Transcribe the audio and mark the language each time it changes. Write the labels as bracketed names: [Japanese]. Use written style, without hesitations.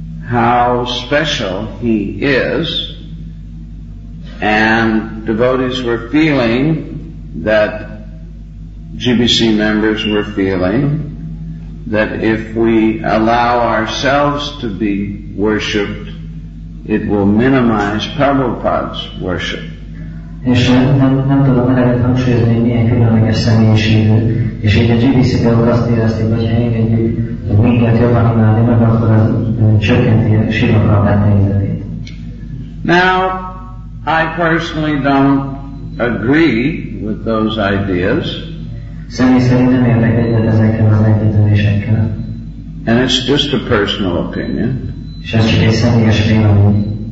[English] how special he is, and devotees were feeling that GBC members were feeling that if we allow ourselves to be worshipped, it will minimize Prabhupada's worship. [Hungarian] És nem tudom eredet hangsúlyozni, hogy milyen különleges személyiségű, és hogy a GBC belül azt érezték, hogy ha engedjük, hogy minket jobban imádni meg, akkor az csökkenti a Srila Prabhupada helyzetét. [English] Now, I personally don't agree with those ideas. [Hungarian] Személy szerint nem értek egyet ezekkel az elképzelésekkel. [English] And it's just a personal opinion. [Hungarian] És ez csak egy személyes vélemény.